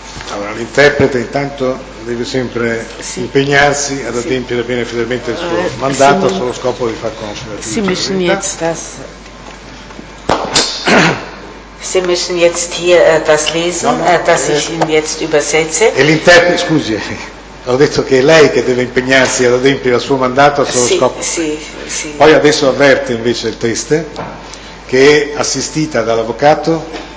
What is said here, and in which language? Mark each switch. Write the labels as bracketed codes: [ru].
[it] Allora, l'interprete intanto deve sempre impegnarsi ad adempiere bene fedelmente il suo mandato sullo scopo di far conoscere la [de] Sie müssen jetzt das Sie müssen jetzt hier das lesen, das ich Ihnen jetzt übersetze. [it] E l'interprete, scusi, ho detto che è lei che deve impegnarsi ad adempiere il suo mandato sullo scopo. Sì, sì. Poi adesso avverte invece il teste che è assistita dall'avvocato